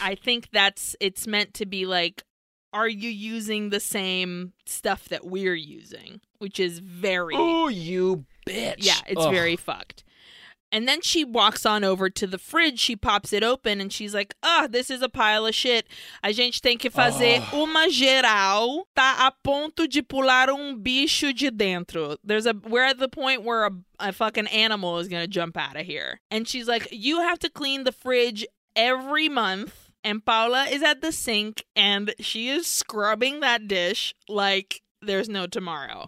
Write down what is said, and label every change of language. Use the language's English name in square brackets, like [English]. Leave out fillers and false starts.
[English] I think it's meant to be like, are you using the same stuff that we're using? Which is very... Ooh, you bitch. Yeah, it's very fucked. And then she walks on over to the fridge. She pops it open and she's like, oh, this is a pile of shit. [Portuguese] A gente tem que fazer uma geral. Tá a ponto de pular bicho de dentro. [English] We're at the point where a fucking animal is going to jump out of here. And she's like, you have to clean the fridge every month. And Paula is at the sink and she is scrubbing that dish like there's no tomorrow.